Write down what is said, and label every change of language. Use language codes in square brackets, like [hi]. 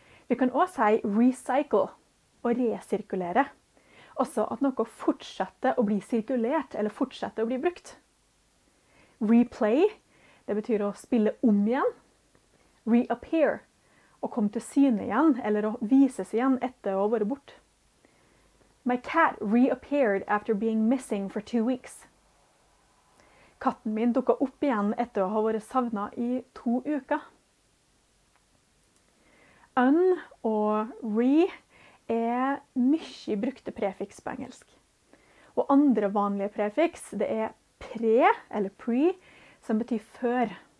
[no] Vi kan også si recycle, og resirkulere. Også at noe fortsetter å bli sirkulert, eller fortsetter å bli brukt. Replay, det betyr å spille om igjen. Reappear, å komme til syne igjen, eller å vises igjen etter å være bort. [en] My cat reappeared after being missing for 2 weeks. [no] Katten min dukket opp igjen etter å ha vært savnet i 2 uker. Un og re er mye brukte prefiks på engelsk. Og andre vanlige prefiks, det er pre, eller pre, som betyr før.